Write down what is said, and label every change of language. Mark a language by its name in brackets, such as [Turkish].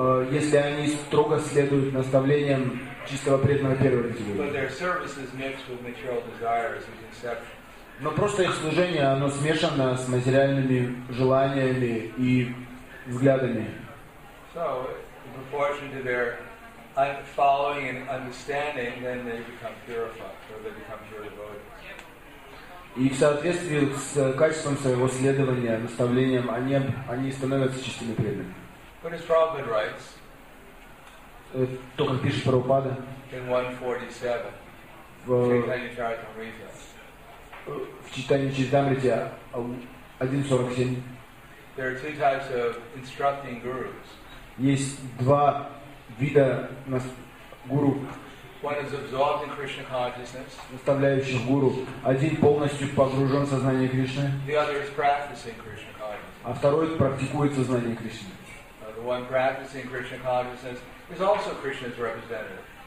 [Russian] Если они строго следуют наставлениям чистого преданного первой категории. [English] But their service is mixed with material desires and conceptions. [Russian] Но просто их служение, оно смешано с материальными желаниями и взглядами. [English] So, in proportion to their following and understanding, then they become purified, or they become pure devotees. [Russian] И в соответствии с качеством своего следования, наставлением, они становятся чистыми преданными. [English] But as Prabhupada writes, [Russian] то, как пишет Прабхупада, [English] in 147, Chaitanya Charitamrita, [Russian] в читании Чайтамрите 1.47 есть два вида гуру. [English] One is absorbed in Krishna consciousness. [Russian] Наставляющий гуру. Один полностью погружен в сознание Кришны. [English] The other is practicing Krishna consciousness. [Russian] А второй практикует сознание Кришны. [English] The one practicing Krishna consciousness is also Krishna's representative.